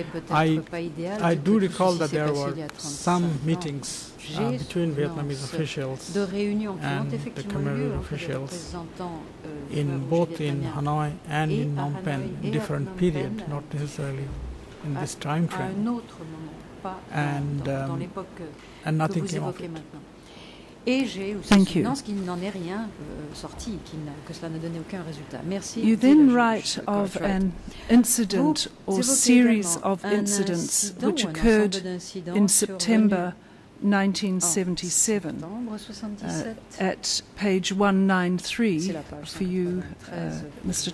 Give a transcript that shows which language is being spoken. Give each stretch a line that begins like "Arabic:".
English: I do recall that there were some meetings between Vietnamese officials and the Khmer Rouge officials in both in Hanoi and in Phnom Penh, different period, not necessarily in this time frame, and nothing came of it.
French: Et j'ai aussi confiance qu'il n'en est rien sorti, que cela n'a donné aucun résultat. Merci.
English: You then write of an incident or series of incidents which occurred in September 1977 at page 193 for you, Mr.